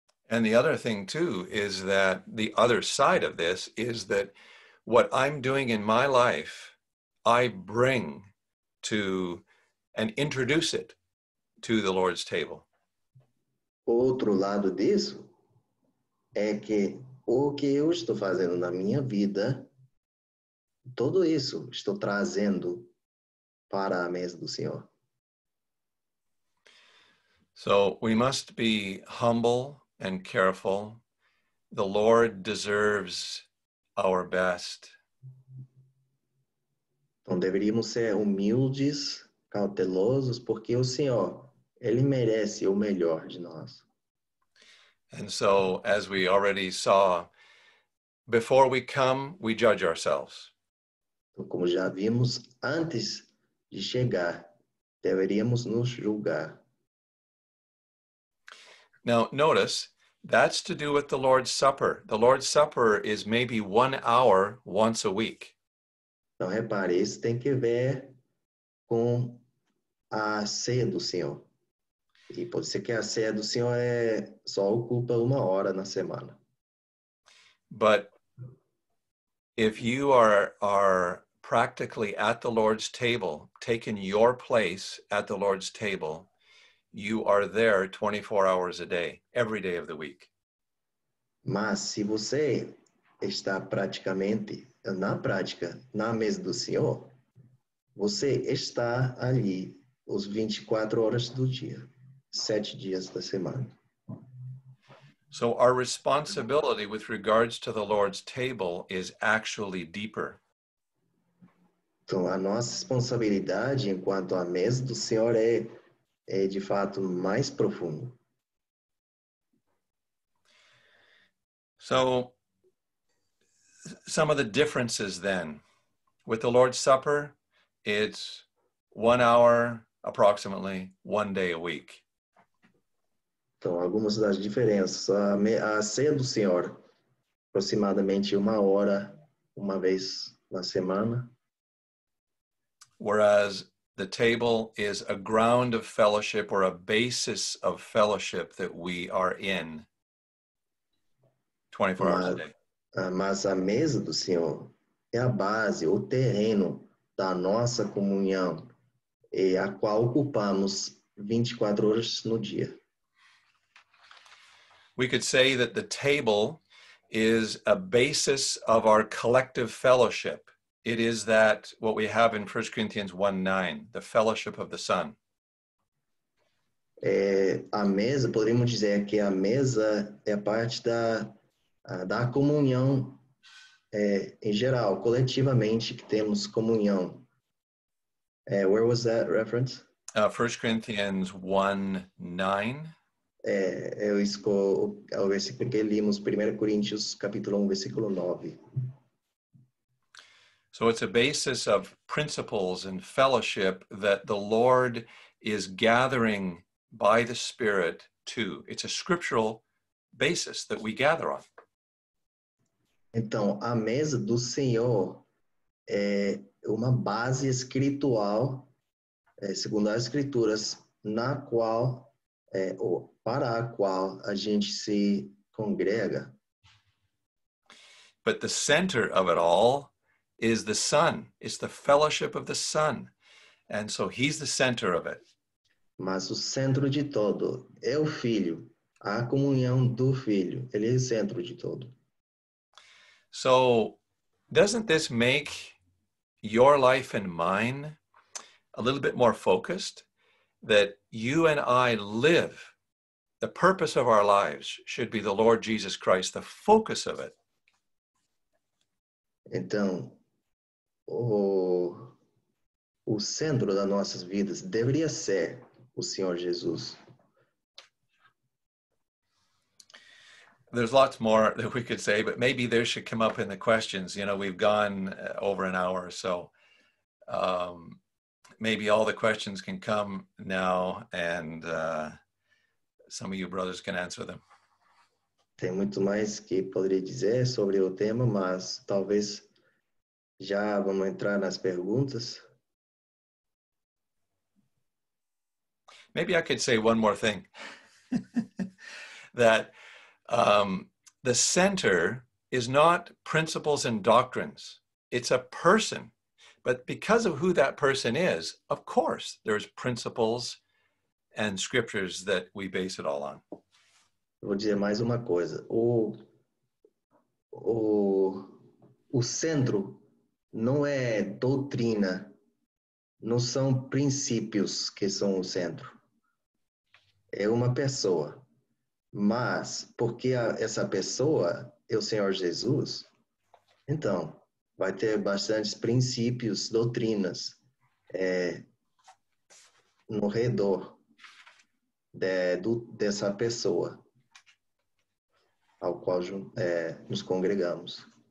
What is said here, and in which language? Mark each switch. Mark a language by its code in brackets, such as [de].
[en] And the other thing too is that the other side of this is that what I'm doing in my life, I bring to and introduce it to the Lord's table. [pt] Outro lado disso é que o que eu estou fazendo na minha vida, tudo isso estou trazendo para a mesa do Senhor. [en] So we must be humble and careful. The Lord deserves our best. [pt] Então deveríamos ser humildes, cautelosos, porque o Senhor, ele merece o melhor de nós. [en] And so, as we already saw, before we come, we judge ourselves. [pt] Então, como já vimos, antes de chegar, deveríamos nos julgar. [en] Now, notice, that's to do with the Lord's Supper. The Lord's Supper is maybe 1 hour once a week. [pt] Então, repare, isso tem que ver com a ceia do Senhor. E pode ser que a ceia do Senhor só ocupa 1 hora na semana. [en] But if you are practically at the Lord's table, taking your place at the Lord's table, you are there 24 hours a day, every day of the week. [pt] Mas se você está praticamente na prática, na mesa do Senhor, você está ali os 24 horas do dia, 7 dias da semana. [en] So our responsibility with regards to the Lord's table is actually deeper. [pt] Então a nossa responsabilidade enquanto a mesa do Senhor é de fato mais profundo. [en] So, some of the differences then. With the Lord's Supper, it's 1 hour, approximately, 1 day a week. [pt] Então, algumas das diferenças. A ceia do Senhor, aproximadamente 1 hora, 1 vez na semana. [en] Whereas the table is a ground of fellowship or a basis of fellowship that we are in 24 hours a day. [pt] Mas a mesa do Senhor é a base, o terreno da nossa comunhão e a qual ocupamos 24 horas no dia. [en] We could say that the table is a basis of our collective fellowship. It is that what we have in 1 Corinthians 1:9, the fellowship of the Son. [pt] A mesa, podemos dizer que a mesa é parte da comunhão em geral, coletivamente que temos comunhão. [en] Where was that reference? 1 Corinthians 1:9. [pt] Eu escolho o versículo que lemos, 1 Coríntios capítulo 1, versículo 9. [en] So it's a basis of principles and fellowship that the Lord is gathering by the Spirit to. It's a scriptural basis that we gather on. [pt] Então, a mesa do Senhor é uma base escritural, segundo as Escrituras, na qual, ou para a qual a gente se congrega. [en] But the center of it all is the Son. It's the fellowship of the Son. And so he's the center of it. [pt] Mas o centro de todo é o Filho. A comunhão do Filho. Ele é o centro de todo. [en] So, doesn't this make your life and mine a little bit more focused? That you and I live, the purpose of our lives should be the Lord Jesus Christ, the focus of it. [pt] Então, o centro das nossas vidas deveria ser o Senhor Jesus. [en] There's lots more that we could say, but maybe there should come up in the questions. You know, we've gone over an hour or so. Maybe all the questions can come now and some of you brothers can answer them. [pt] Tem muito mais que poderia dizer sobre o tema, mas talvez já vamos entrar nas perguntas. [en] Maybe I could say one more thing. That the center is not principles and doctrines. It's a person. But because of who that person is, of course, there's principles and scriptures that we base it all on. [pt] Vou dizer mais uma coisa. O centro não é doutrina, não são princípios que são o centro. É uma pessoa. Mas porque essa pessoa é o Senhor Jesus, então vai ter bastantes princípios, doutrinas no redor dessa pessoa ao qual nos congregamos.